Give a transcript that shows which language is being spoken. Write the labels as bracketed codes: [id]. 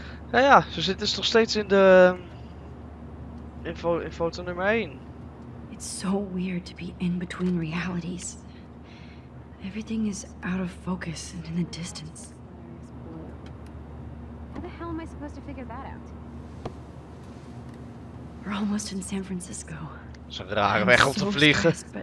[nl] Nou ja, ze zitten dus nog steeds in de... In foto nummer 1. [en] It's so weird to be in between realities. Everything is out of focus and in the distance. How the hell am I supposed to figure that out? We're almost in San Francisco. [nl] Zo'n rare weg om te vliegen.